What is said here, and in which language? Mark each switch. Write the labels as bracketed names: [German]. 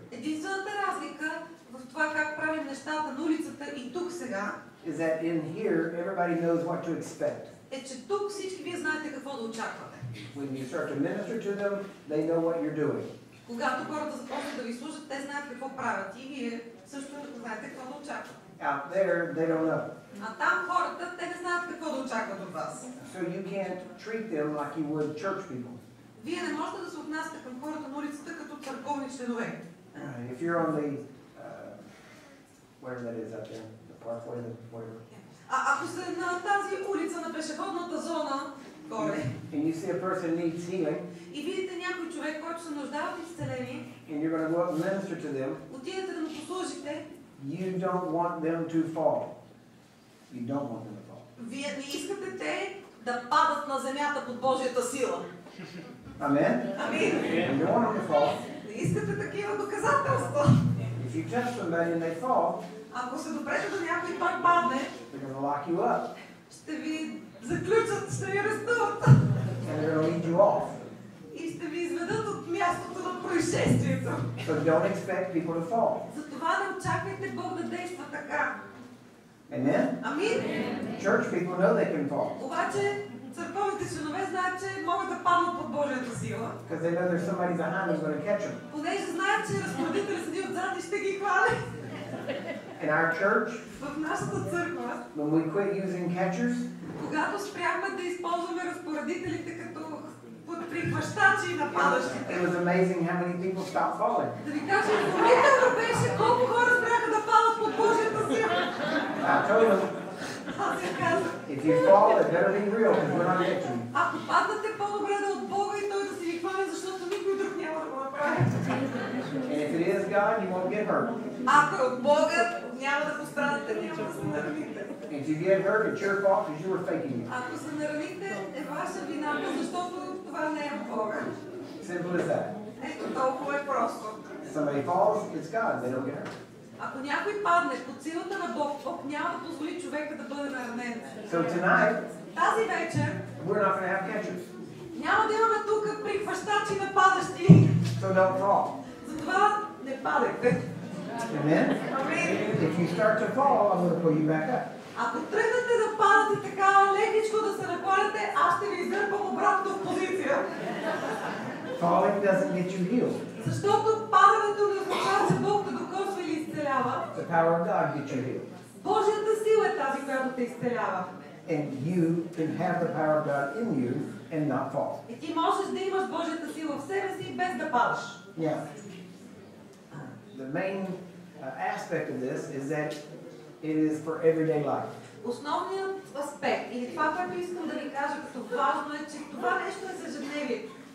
[Bulgarian] Единствената разлика в това как правим нещата на улицата и тук сега. [English] Is that in here everybody knows what to expect. [Bulgarian] Е, че тук всички вие знаете какво да очаквате. [English] When you start to minister to them, they know what you're doing. [Bulgarian] Когато хората започнат да ви служат, те знаят какво правят и вие също знаете какво да очакват. [English] Out there, they don't know. [Bulgarian] А там хората, те не знаят какво да очакват от вас. [English] So you can't treat them like you would church people. [Bulgarian] Вие не можете да се отнасяте към хората на улицата като църковни членове. [English] If you're on the, where that is up there? [Bulgarian] това, кой да говори. А ако сте на тази улица на пешеходната зона, [English] and you see a person needs healing. [Bulgarian] И видите някой човек, който се нуждае от изцеление. [English] And you're going to go out and minister to them. [Bulgarian] Отидете да му послужите. [English] You don't want them to fall. You don't want them to fall. [Bulgarian] Вие не искате те да падат на земята под Божията сила. [English] Amen. [Bulgarian] Амин. [English] You don't want them to fall. [Bulgarian] Не искате такива доказателства. [English] If you touch somebody and they fall. [Bulgarian] Ако се допрете до някой пак падне. [English] They're going to lock you up. [Bulgarian] Ще ви заключат, ще ви арестуват. [English] And they're going to lead you off. [Bulgarian] И ще ви изведат от мястото на происшествието. [English] So don't expect people to fall. [Bulgarian] Затова не очаквайте Бог да действа така. [English] Amen? [Bulgarian] Амин. [English] Church people know they can fall. [Bulgarian] Обаче църковните членове знаят, че могат да паднат под Божията сила. [English] Because they know there's somebody behind who's going to catch them. [Bulgarian] Понеже знаят, че разпоредителят седи отзад и ще ги хвали. [English] In our church, [Bulgarian] в нашата църква, [English] when we quit using catchers, [Bulgarian] когато спряхме да използваме разпоредителите като прихващачи и нападащите, [English] it was amazing how many people stopped falling. [Bulgarian] Да ви кажа, изумително беше колко хора спряха да падат под Божията сила. [English] I told them, if you fall, it better be real, because we're not catching. [Bulgarian] Ако паднете, по-добре да от Бога и Той да си ви хване, защото никой друг няма да го направи. [English] And if it is God, you won't get hurt. [Bulgarian] Ако от Бога, няма да пострадате, няма да се наравите. [English] If you get hurt, it's your fault, because you were faking it. [Bulgarian] Ако се наравите, е ваша вина, защото това не е от Бога. [English] Simple as that. [Bulgarian] Ето толкова е просто. [English] Somebody falls, it's God, they don't get hurt. [Bulgarian] Ако някой падне под силата на Бог, Бог няма да позволи човека да бъде наранен. [English] So tonight, [Bulgarian] тази вечер, [English] we're not going to have catchers. [Bulgarian] Няма да имаме тук прихващачи на падащи. [English] So don't fall. [Bulgarian] Затова не падайте. [English] Amen? If you start to fall, I'm going to pull you back up. [Bulgarian] Ако тръгнете да падате така лекичко да се нахвалите, аз ще ви издърпам обратно в позиция. [English] Falling doesn't get you healed. [Bulgarian] Защото падането не означава, че Бог да докосва или изцелява. [English] The power of God gets you healed. [Bulgarian] Божията сила е тази, която те изцелява. [English] And you can have the power of God in you and not fall. [Bulgarian] И ти можеш да имаш Божията сила в себе си без да падаш. [English] Yeah. The main aspect of this is that it is for everyday life. [Bulgarian] Основният аспект или това, което искам да ви кажа като важно е, че това нещо е за ежедневието.